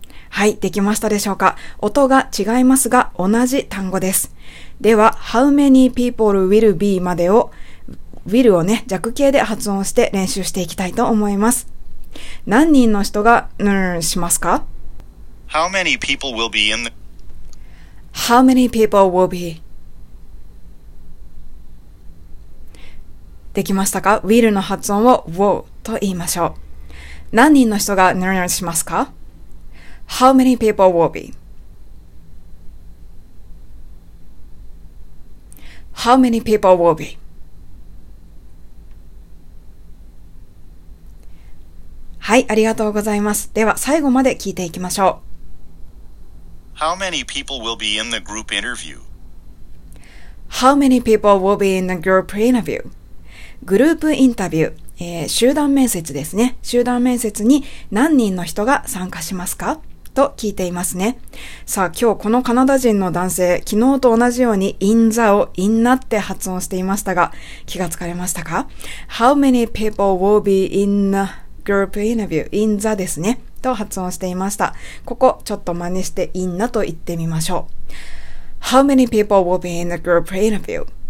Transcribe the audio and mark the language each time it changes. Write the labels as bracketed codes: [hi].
[ja] はい、できましたでしょうか。音が違いますが同じ単語です。では [en] How many people will be [ja] までをWill をね、弱形で発音して練習していきたいと思います。何人の人がぬるぬるしますか? [en] How many people will be in the... How many people will be? [ja] できましたか? Will の発音を Whoa と言いましょう。何人の人がぬるぬるしますか? [en] How many people will be? How many people will be? [ja] はい、ありがとうございます。では最後まで聞いていきましょう。 [en] How many people will be in the group interview? How many people will be in the group interview? [ja] グループインタビュー、集団面接ですね。集団面接に何人の人が参加しますか? と聞いていますね。さあ今日このカナダ人の男性、昨日と同じように in the を in なって発音していましたが、気がつかれましたか? [en] How many people will be in theGroup interview in the [ja] ですねと発音していました。ここちょっと真似して in the と言ってみましょう。 [en] How many people will be in the group interview?